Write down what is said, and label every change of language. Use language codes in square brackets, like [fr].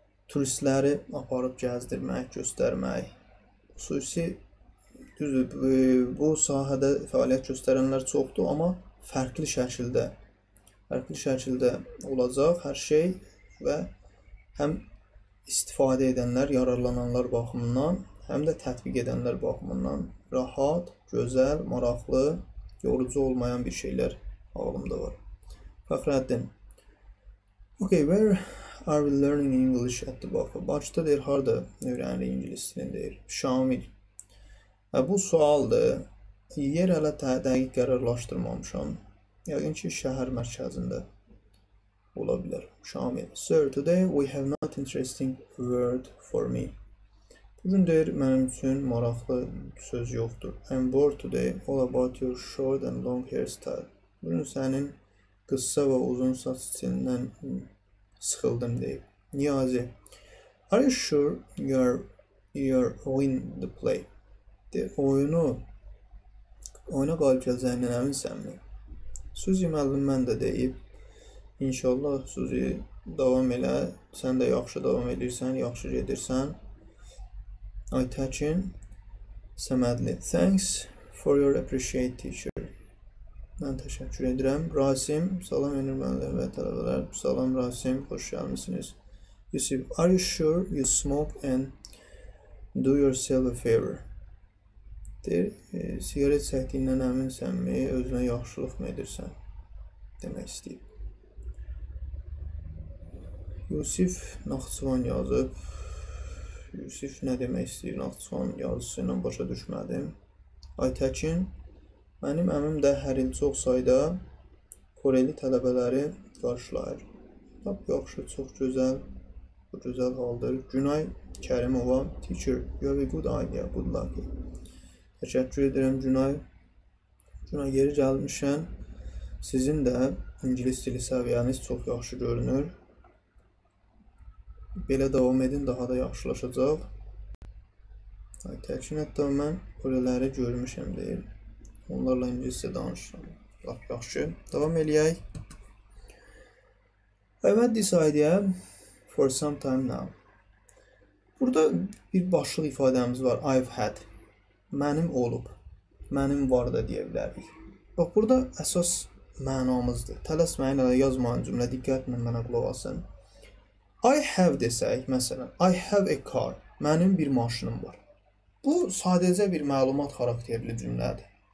[az] Turistləri aparıb gəzdirmək, göstərmək. Xüsusi, düzdür, bu sahədə fəaliyyət göstərənlər çoxdur, amma fərqli şəkildə olacaq hər şey və həm istifadə edənlər, yararlananlar baxımından, həm də tətbiq edənlər baxımından rahat, gözəl, maraqlı, yorucu olmayan bir şeylər ağlımda var. Fəxrəddin. [en] Okay, where are we learning English at the buffer? [az] Başta deyir, harada öyrənirik ingilis dilini deyir. Şamil. Bu sualdır. Yer hələ dəqiq qərarlaşdırmamışam. Yəqin ki, şəhər mərkəzində ola bilər. Şamil. [en] Sir, today we have not interesting word for me. [az] Bugün deyir, mənim üçün maraqlı söz yoxdur. [en] I'm bored today. All about your short and long hairstyle. [az] Bugün sənin qısa və uzun saç stilindən sıxıldım deyib. Niyazi. [en] Are you sure you're win the play? [az] Deyir, oyuna qalib gələcəyindən əminsən mi? Suzi müəllim mən də deyib, inşallah Suzi davam elə, sən də yaxşı davam edirsən, yaxşı gedirsən. [en] Aytəkin, Səmədli, thanks for your appreciate teacher. [az] Mən təşəkkür edirəm. Rasim, salam Emir müəllim və tələbələr. Salam Rasim, xoş gəlmisiniz. [en] Yusuf, are you sure you smoke and do yourself a favor? [az] Deyir, sigaret çəkdiyindən əminsən mi, özünə yaxşılıq mı edirsən, demək istəyib. Yusif Naxçıvan yazıb. Yusif nə demək istəyir Naxçıvan yazısından başa düşmədim. Aytəkin, mənim əmim də hər il çox sayda Koreli tələbələri qarşılayır. Tab, yaxşı, çox gözəl, bu gözəl haldır. [en] Günay Kərimova, teacher, you have a good idea, good luck. [az] Təşəkkür edirəm Günay. Günay, yeri gəlmişən sizin də ingilis dili səviyyəniz çox yaxşı görünür. Belə davam edin, daha da yaxşılaşacaq. Təkin, hətta mən oraları görmüşəm deyil. Onlarla ingilisə danışıram. Bax, yaxşı, davam eləyək. [en] I've had this idea for some time now. [az] Burada bir başlıq ifadəmiz var, I've had. Mənim olub, mənim var da deyə bilərik. Bax, burada əsas mənamızdır. Tələsməyin, yazmayın cümlə, diqqətlə mənə qulaq asın. I have desək, məsələn, [en] I have a car. [az] Mənim bir maşınım var. Bu, sadəcə bir məlumat xarakterli cümlədir.